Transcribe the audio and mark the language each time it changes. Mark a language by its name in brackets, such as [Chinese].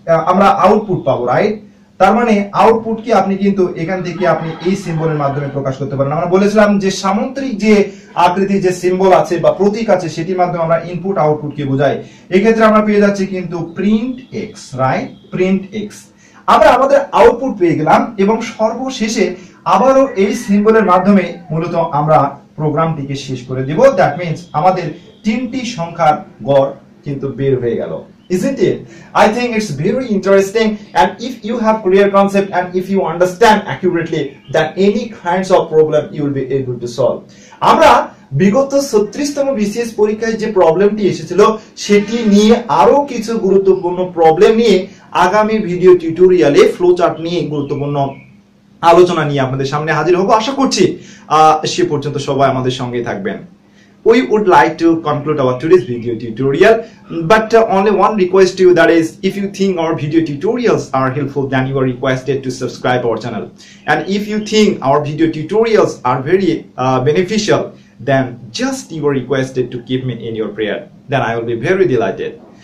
[Bangla] আমরা আউটপুট পাবো রাইট তার মানে আউটপুট কি আপনি কিন্তু এখান থেকে আপনি এই সিম্বলের মাধ্যমে প্রকাশ করতে পারেন আমরা বলেছিলাম যে সামন্ত্রিক যে আকৃতি যে সিম্বল আছে বা প্রতীক আছে সেটির মাধ্যমে আমরা ইনপুট আউটপুট কে বোঝাই এক্ষেত্রে আমরা পেয়ে যাচ্ছি কিন্তু print x right print x আমরা আমাদের আউটপুট পেয়ে গেলাম এবং সর্বশেষে আবারও এই সিম্বলের মাধ্যমে মূলত আমরা প্রোগ্রামটিকে শেষ করে দিব [English] that means [Bangla] আমাদের তিনটি সংখ্যার গড় কিন্তু বের হয়ে গেল [English] Isn't it? I think it's very interesting and if you have clear concept and if you understand accurately that any kinds of problem you will be able to solve. [Bangla] আমরা বিগত 36তম বিসিএস পরীক্ষায় যে প্রবলেমটি এসেছিল সেটি নিয়ে আরো কিছু গুরুত্বপূর্ণ প্রবলেম নিয়ে আগামী ভিডিও টিউটোরিয়ালে ফ্লো চার্ট নিয়ে গুরুত্বপূর্ণ আলোচনা নিয়ে আপনাদের সামনে হাজির হব আশা করছি সে পর্যন্ত সবাই আমাদের সঙ্গে থাকবেন [English] We would like to conclude our today's video tutorial, but only one request to you, that is, if you think our video tutorials are helpful, then you are requested to subscribe our channel. And if you think our video tutorials are very beneficial, then just you are requested to keep me in your prayer. Then I will be very delighted.